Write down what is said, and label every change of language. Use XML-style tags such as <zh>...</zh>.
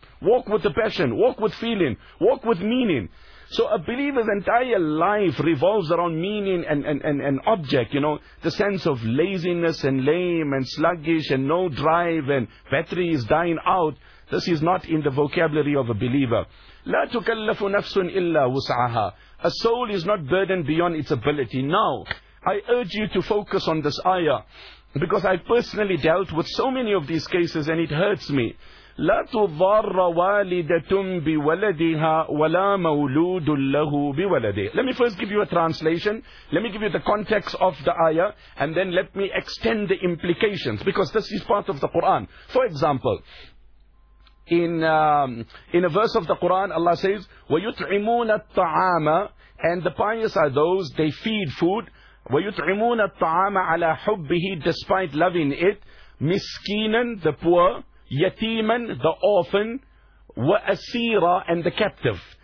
<en>Walk with the passion, walk with feeling, walk with meaning. So a believer's entire life revolves around meaning and object, you know, the sense of laziness and lame and sluggish and no drive and battery is dying out. This is not in the vocabulary of a believer.</en> <ar>لا تكلف نفس إلا وسعها.</ar> <en>A soul is not burdened beyond its ability. Now, I urge you to focus on this ayah, because I personally dealt with so many of these cases and it hurts me.</en> <ar>لا تضر والدة بولدها ولا مولود له بولده.</ar> <en>Let me first give you a translation. Let me give you the context of the ayah, and then let me extend the implications, because this is part of the Quran. For example, in a verse of the Quran, Allah says,</en> <ar>وَيُطْعِمُونَ الطَّعَامَ,</ar> <en>and the pious are those, they feed food,</en> <ar>وَيُطْعِمُونَ الطَّعَامَ عَلَى حُبِّهِ,</ar> <en>despite loving it,</en> <ar>مِسْكِينًا,</ar> <en>the poor,</en> <ar>يَتِيمًا,</ar> <en>the orphan,</en> <ar>وَأَسِيرًا,</ar> <en>and the captive.</en>